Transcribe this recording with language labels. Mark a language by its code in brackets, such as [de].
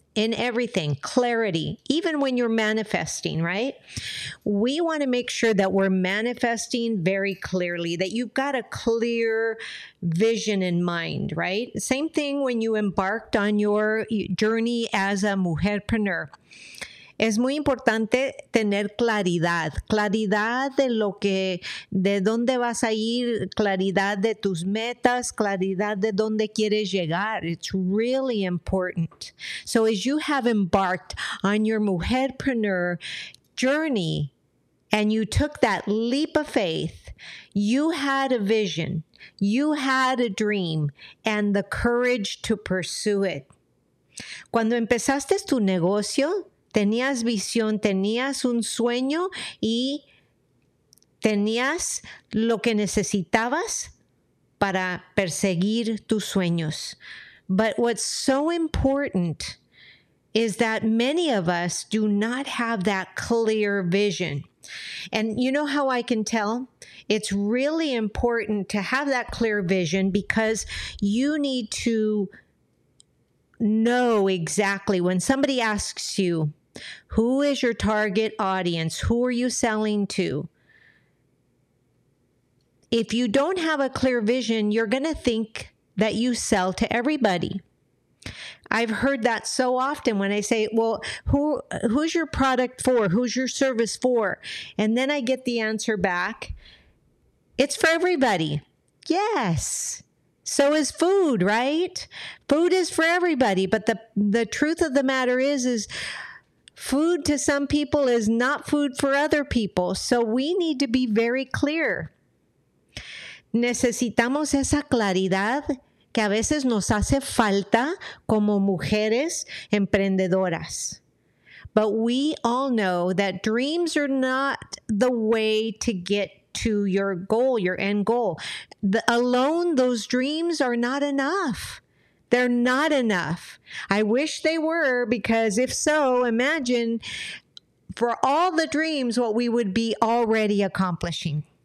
[en] In everything, clarity, even when you're manifesting, right? We want to make sure that we're manifesting very clearly, that you've got a clear vision in mind, right? Same thing when you embarked on your journey as a mujerpreneur. [es] Es muy importante tener claridad, claridad de lo que, de dónde vas a ir, claridad de tus metas, claridad de dónde quieres llegar. [en] It's really important. So as you have embarked on your mujerpreneur journey and you took that leap of faith, you had a vision, you had a dream, and the courage to pursue it. [es] Cuando empezaste tu negocio, tenías visión, tenías un sueño y tenías lo que necesitabas para perseguir tus sueños. [en] But what's so important is that many of us do not have that clear vision. And you know how I can tell? It's really important to have that clear vision because you need to know exactly when somebody asks you, who is your target audience? Who are you selling to? If you don't have a clear vision, you're going to think that you sell to everybody. I've heard that so often when I say, well, who's your product for? Who's your service for? And then I get the answer back. It's for everybody. Yes. So is food, right? Food is for everybody. But the truth of the matter is, food to some people is not food for other people. So we need to be very clear. [es] Necesitamos esa claridad que a veces nos hace falta como mujeres emprendedoras. [en] But we all know that dreams are not the way to get to your goal, your end goal. Alone, those dreams are not enough. They're not enough. I wish they were, because if so, imagine for all the dreams what we would be already accomplishing.